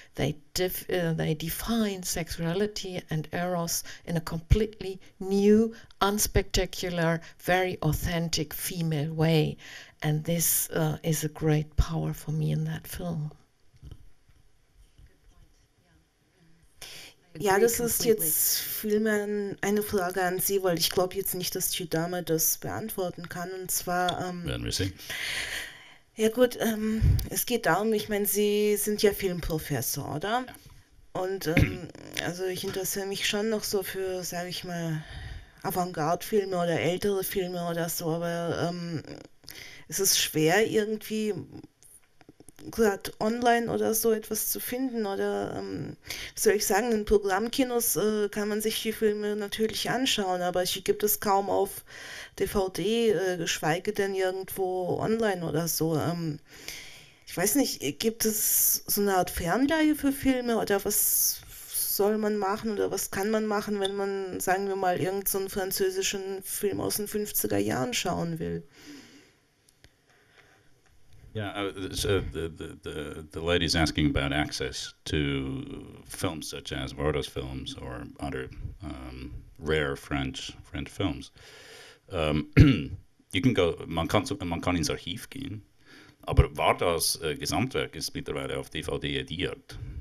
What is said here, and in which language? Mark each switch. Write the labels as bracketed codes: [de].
[en] They define sexuality and eros in a completely new, unspectacular, very authentic female way, and this is a great power for me in that film. [de] Ja, das ist jetzt vielmehr eine Frage an Sie, weil ich glaube jetzt nicht, dass die Dame das beantworten kann. Und zwar, ja gut, es geht darum, ich meine, Sie sind ja Filmprofessor, oder? Ja. Und also ich interessiere mich schon noch so für, sage ich mal, Avantgarde-Filme oder ältere Filme oder so, aber es ist schwer irgendwie gerade online oder so etwas zu finden oder wie soll ich sagen, in Programmkinos kann man sich die Filme natürlich anschauen, aber die gibt es kaum auf DVD, geschweige denn irgendwo online oder so. Ich weiß nicht, gibt es so eine Art Fernleihe für Filme oder was soll man machen oder was kann man machen, wenn man, sagen wir mal, irgend so einen französischen Film aus den 50er Jahren schauen will? [en] Yeah, so the lady's asking about access to films such as Varda's films or other rare French films. you can go, [de] man kann, ins Archiv gehen, aber Varda's Gesamtwerk ist mittlerweile auf DVD ediert.